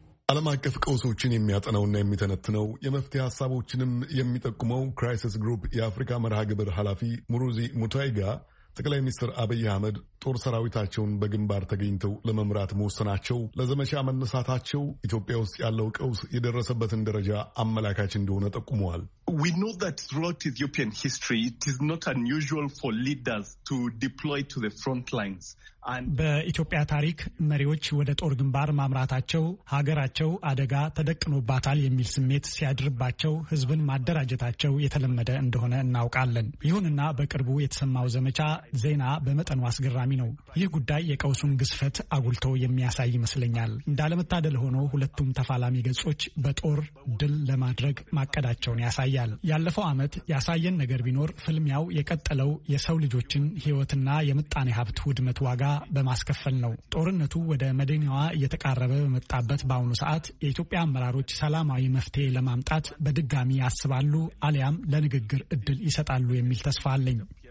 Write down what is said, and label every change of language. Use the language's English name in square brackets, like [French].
[Amharic] ዓለም አቀፍ ቀውሶችን የሚያጠናውና የሚተነትነው የመፍትሄ ሐሳቦችንም የሚጠቁመው ክራይሲስ ግሩፕ የአፍሪካ መርሃ ግብር ኃላፊ ሙርዚ ሙታይጋ ጠቅላይ ሚኒስትር አብይ አህመድ ጦር ሰራዊታቸውን በግንባር ተገኝተው ለመምራት መወሰናቸው፣ ለዘመቻ መነሳታቸው ኢትዮጵያ ውስጥ ያለው ቀውስ የደረሰበትን ደረጃ አመላካች እንደሆነ ጠቁመዋል። [English] We know that throughout Ethiopian history, it is not unusual for leaders to deploy to the front lines. [Amharic] በኢትዮጵያ ታሪክ መሪዎች ወደ ጦር ግንባር ማምራታቸው ሀገራቸው አደጋ ተደቅኖባታል የሚል ስሜት ሲያድርባቸው ህዝብን ማደራጀታቸው የተለመደ እንደሆነ እናውቃለን። ይሁንና በቅርቡ የተሰማው ዘመቻ ዜና በመጠኑ አስገራሚ ነው። ይህ ጉዳይ የቀውሱን ግዝፈት አጉልቶ የሚያሳይ ይመስለኛል። እንዳለመታደል ሆኖ ሁለቱም ተፋላሚ ገጾች በጦር ድል ለማድረግ ማቀዳቸውን ያሳያል። ያለፈው ዓመት ያሳየን ነገር ቢኖር ፍልሚያው የቀጠለው የሰው ልጆችን ህይወትና የምጣኔ ሀብት ውድመት ዋጋ በማስከፈል ነው። ጦርነቱ ወደ መዲናዋ እየተቃረበ በመጣበት በአሁኑ ሰዓት የኢትዮጵያ አመራሮች ሰላማዊ መፍትሄ ለማምጣት በድጋሚ ያስባሉ አሊያም ለንግግር እድል ይሰጣሉ የሚል ተስፋ አለኝ።